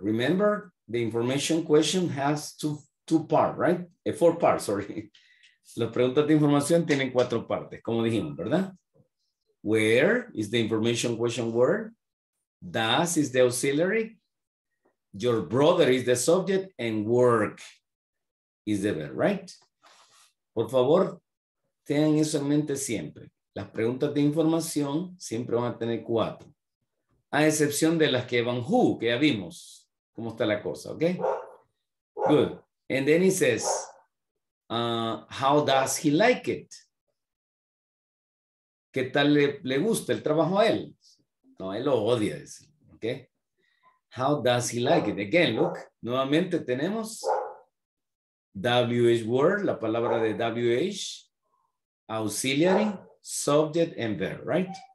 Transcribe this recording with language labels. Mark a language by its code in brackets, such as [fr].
[en] Remember, the information question has two parts, right? Four parts, sorry. [es] Las preguntas de información tienen cuatro partes, como dijimos, ¿verdad? [en] Where is the information question word? Does is the auxiliary. Your brother is the subject and work is the verb, right? [es] Por favor, tengan eso en mente siempre. Las preguntas de información siempre van a tener cuatro. A excepción de las que van who, que ya vimos cómo está la cosa, ¿ok? Good. [en] And then he says, how does he like it? [es] ¿Qué tal le gusta el trabajo a él? No, él lo odia, dice. ¿Ok? [en] How does he like it? Again, look. [es] Nuevamente tenemos [en] WH word, [es] la palabra de WH, [en] auxiliary, subject and verb, right?